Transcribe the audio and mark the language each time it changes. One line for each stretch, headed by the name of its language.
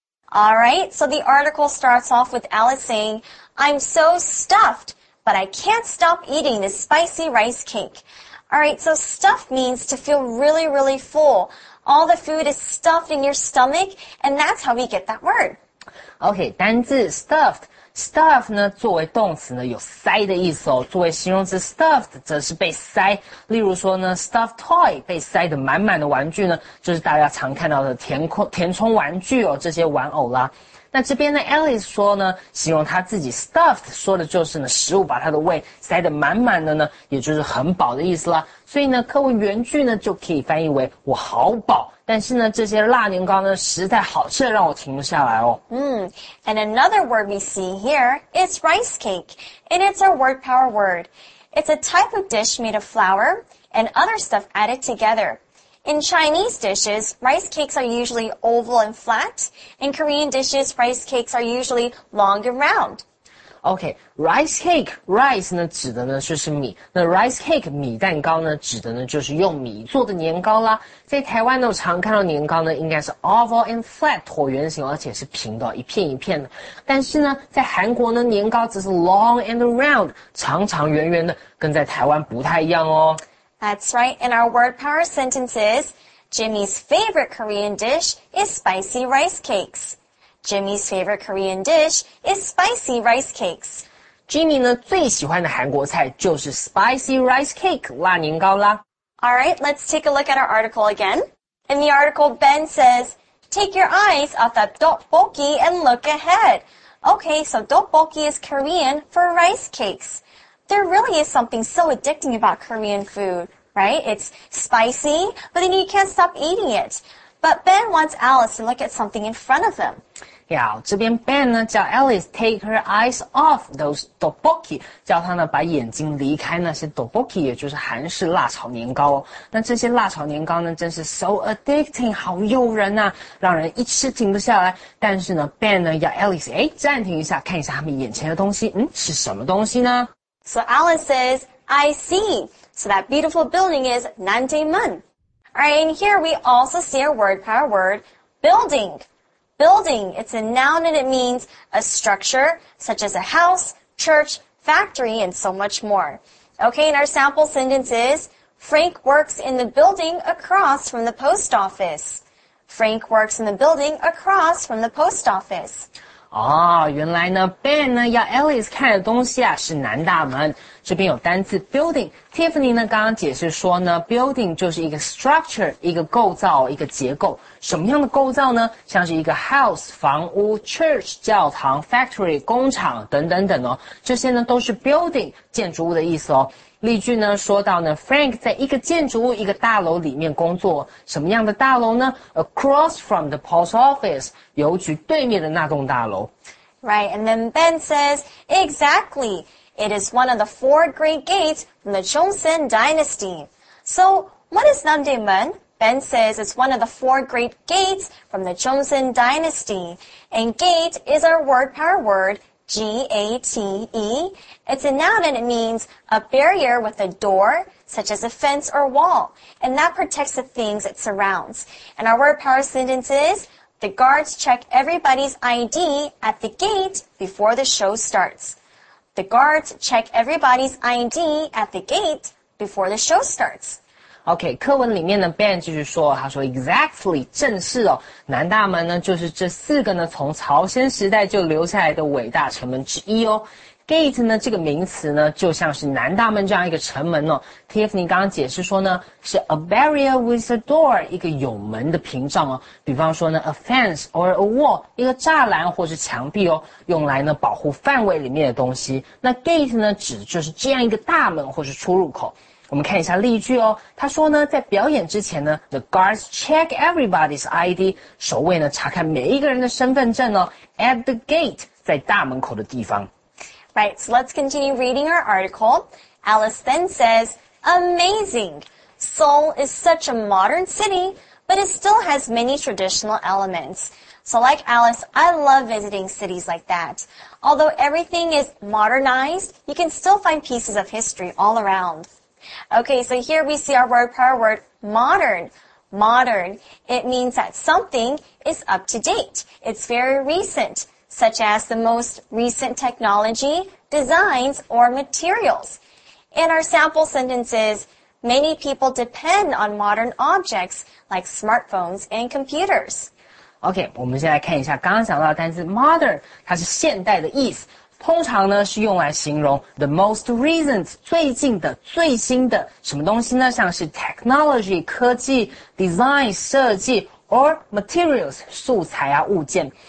English: All right, so the article starts off with Alice saying, "I'm so stuffed, but I can't stop eating this spicy rice cake." All right, so stuffed means to feel really, really full. All the food is stuffed in your stomach, and that's how we get that word.
Chinese: Okay, 单字 stuffed, stuff 呢作为动词呢有塞的意思哦。作为形容词 stuffed 则是被塞。例如说呢 ，stuffed toy 被塞得满满的玩具呢，就是大家常看到的填充玩具哦，这些玩偶啦。那这边呢 ，Alice 说呢，形容她自己 stuffed， 说的就是呢，食物把她的胃塞得满满的呢，也就是很饱的意思啦。所以呢，课文原句呢就可以翻译为“我好饱”，但是呢，这些辣年糕呢实在好吃，让我停不下来哦。
English: And another word we see here is rice cake, and it's a word power word. It's a type of dish made of flour and other stuff added together. In Chinese dishes, rice cakes are usually oval and flat. In Korean dishes, rice cakes are usually long and round.
Chinese: Okay, rice cake, rice 呢指的呢就是米，那 rice cake 米蛋糕呢指的呢就是用米做的年糕啦。在台湾呢，我常看到年糕呢应该是
English: oval and flat
Chinese: 椭圆形，而且是平的，一片一片的。但是呢，在韩国呢，年糕则是
English: long and round，
Chinese: 长长圆圆的，跟在台湾不太一样哦。
English: That's right. In our word power sentences, Jimmy's favorite Korean dish is spicy rice cakes. Jimmy's favorite Korean dish is spicy rice cakes.
Chinese: Jimmy 呢最喜欢的韩国菜就是 spicy rice cake, 辣年糕啦。
English: All right, let's take a look at our article again. In the article, Ben says, take your eyes off that tteokbokki and look ahead. Okay, so tteokbokki is Korean for rice cakes. There really is something so addicting about Korean food, right? It's spicy, but then you can't stop eating it. But Ben wants Alice to look at something in front of them.
Chinese: Yeah, 这边 Ben 呢叫 Alice
English: take her eyes off those tteokbokki,
Chinese: 叫她呢把眼睛离开那些 tteokbokki, 也就是韩式辣炒年糕。那这些辣炒年糕呢真是
English: so addicting,
Chinese: 好诱人啊，让人一吃停不下来。但是呢 Ben 呢要 Alice 诶暂停一下，看一下他们眼前的东西，嗯，是什么东西呢？
English: So Alice says, I see. So that beautiful building is Nandaemun. All right, and here we also see a word power word, building. Building, it's a noun and it means a structure, such as a house, church, factory, and so much more. Okay, and our sample sentence is, Frank works in the building across from the post office. Frank works in the building across from the post office.
Chinese: 哦，原来呢 ，Ben 呢要 Alice 看的东西啊是南大门。这边有单字 building。Tiffany 呢刚刚解释说呢 ，building 就是一个 structure， 一个构造，一个结构。什么样的构造呢？像是一个 house 房屋、church 教堂、factory 工厂等等等哦，这些呢都是 building 建筑物的意思哦。例句呢说到呢 ，Frank 在一个建筑物、一个大楼里面工作，什么样的大楼呢 ？
English: Across from the post office，
Chinese: 邮局对面的那栋大楼。
English: Right, and then Ben says, exactly, it is one of the four great gates from the Joseon Dynasty. So, what is Nandaemun? Ben says it's one of the four great gates from the Joseon Dynasty, and gate is our word power word. G-A-T-E. It's a noun and it means a barrier with a door, such as a fence or wall, and that protects the things it surrounds. And our word power sentence is, the guards check everybody's ID at the gate before the show starts. The guards check everybody's ID at the gate before the show starts.
Chinese: OK, 课文里面呢 ,Ben 继续说，他说 exactly, 正是哦，南大门呢就是这四个呢从朝鲜时代就留下来的伟大城门之一哦。 Gate 呢这个名词呢就像是南大门这样一个城门哦。 Tiffany 刚刚解释说呢是
English: a barrier with a door,
Chinese: 一个有门的屏障哦。比方说呢
English: a fence or a wall,
Chinese: 一个栅栏或是墙壁哦，用来呢保护范围里面的东西。那 gate 呢指就是这样一个大门或是出入口。我们看一下例句哦，他说呢，在表演之前呢 ，
English: the guards check everybody's ID，
Chinese: 守卫呢查看每一个人的身份证哦 ，
English: at the gate，
Chinese: 在大门口的地方。
English: Right, so let's continue reading our article. Alice then says, "Amazing, Seoul is such a modern city, but it still has many traditional elements. So, like Alice, I love visiting cities like that. Although everything is modernized, you can still find pieces of history all around." Okay, so here we see our word power word, modern. Modern, it means that something is up to date. It's very recent, such as the most recent technology, designs, or materials. And our sample sentence is, many people depend on modern objects like smartphones and computers.
Chinese: Okay, 我们先来看一下刚刚讲到的单词 modern, 它是现代的意思。通常呢是用来形容
English: the most recent,
Chinese: 最近的最新的什么东西呢，像是 technology, 科技 design, 设计
English: or materials,
Chinese: 素材啊物件。